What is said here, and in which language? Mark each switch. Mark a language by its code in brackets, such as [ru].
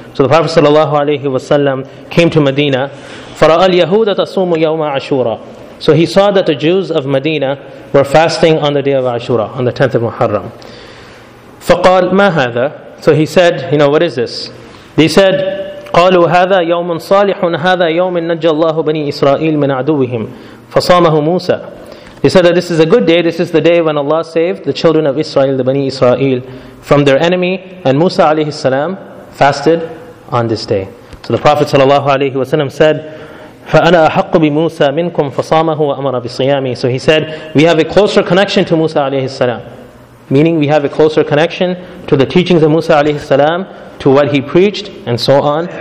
[en] So the Prophet [ar] صلى الله عليه وسلم [en] came to Medina. [ar] فرأى اليهود تصوم يوم عاشوراء. [en] So he saw that the Jews of Medina were fasting on the day of Ashura, on the 10th of Muharram. [ar] فقال ما هذا? [en] So he said, you know, what is this? They said, [ar] قالوا هذا يوم صالح هذا يوم نجى الله بني إسرائيل من عدوهم فصامه موسى. [en] He said that this is a good day, this is the day when Allah saved the children of Israel, the Bani Israel, from their enemy, and Musa alayhi salam fasted on this day. So the Prophet sallallahu alayhi wa sallam said, [ar] فَأَنَا أَحَقُّ بِمُوسَى مِنْكُمْ فَصَامَهُ وَأَمَرَ بِصِيَامِ. [en] So he said, we have a closer connection to Musa alayhi salam. Meaning we have a closer connection to the teachings of Musa alayhi salam, to what he preached, and so on.